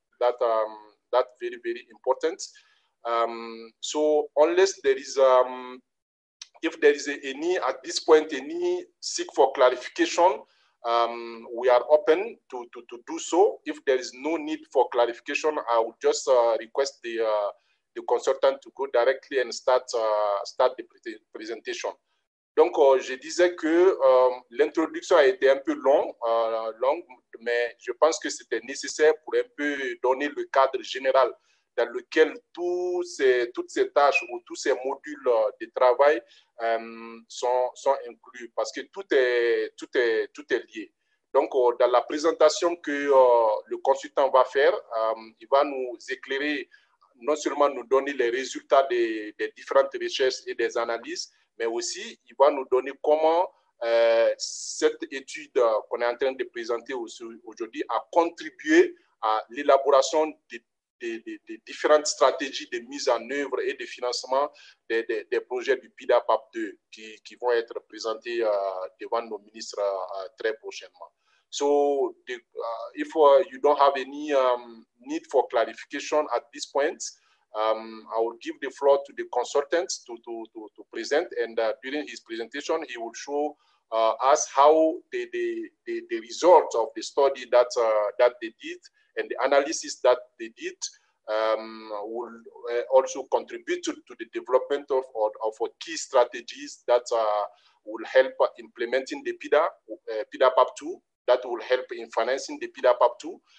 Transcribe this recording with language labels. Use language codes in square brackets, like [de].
[en] That's very, very important. So unless there is if there is any at this point any seek for clarification, we are open to do so. If there is no need for clarification, I would just request the consultant to go directly and start the présentation. [fr] Donc, je disais que l'introduction a été un peu longue, mais je pense que c'était nécessaire pour un peu donner le cadre général dans lequel toutes ces tâches ou tous ces modules de travail sont inclus, parce que tout est lié. Donc, dans la présentation que le consultant va faire, il va nous éclairer, non seulement nous donner les résultats des différentes recherches et des analyses, mais aussi, il va nous donner comment cette étude qu'on est en train de présenter aujourd'hui a contribué à l'élaboration des différentes stratégies de mise en œuvre et de financement des projets du PIDAPAP 2 qui vont être présentés devant nos ministres très prochainement. [en] So, if you don't have any need for clarification at this point, I will give the floor to the consultants to present, and during his presentation, he will show us how the results of the study that they did and the analysis that they did will also contribute to the development of key strategies that will help implementing the PIDAPAP 2, that will help in financing the PIDAPAP 2.